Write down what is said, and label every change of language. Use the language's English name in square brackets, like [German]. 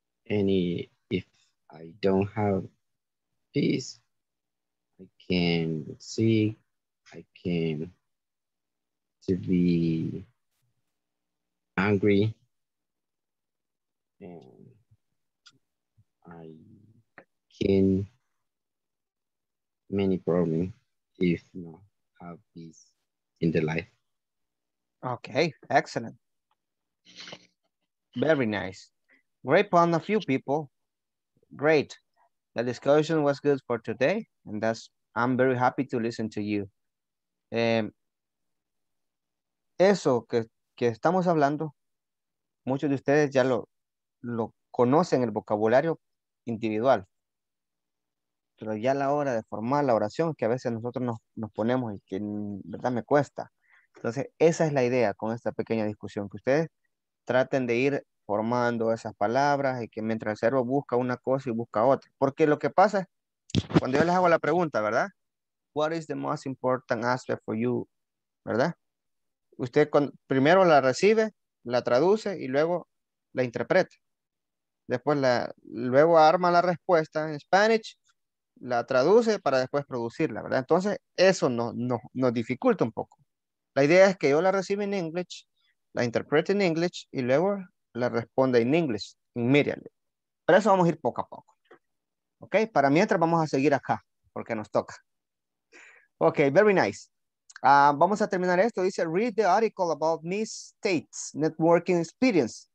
[English] Any if I don't have peace, I can see, I can to be angry, and I can many problems if not have peace in the life. Okay, excellent. Very nice. Great point of view, people. Great. The discussion was good for today, and that's I'm very happy to listen to you. [Spanish] Eso que estamos hablando, muchos de ustedes ya lo conocen el vocabulario individual, pero ya a la hora de formar la oración, que a veces nosotros nos ponemos y que en verdad me cuesta. Entonces, esa es la idea con esta pequeña discusión, que ustedes traten de ir formando esas palabras y que mientras el cerebro busca una cosa y busca otra. Porque lo que pasa, cuando yo les hago la pregunta, ¿verdad? [English] What is the most important aspect for you? [Spanish] ¿Verdad? Usted primero la recibe, la traduce y luego la interpreta. Después luego arma la respuesta en Spanish, la traduce para después producirla, ¿verdad? Entonces, eso nos dificulta un poco. La idea es que yo la recibo en English, la interpreto en English y luego la responda en English immediately. Pero eso vamos a ir poco a poco. Ok, para mientras vamos a seguir acá, porque nos toca. [English] Ok, very nice. [Spanish] Vamos a terminar esto. [English] Dice, read the article about Miss Tate's networking experience.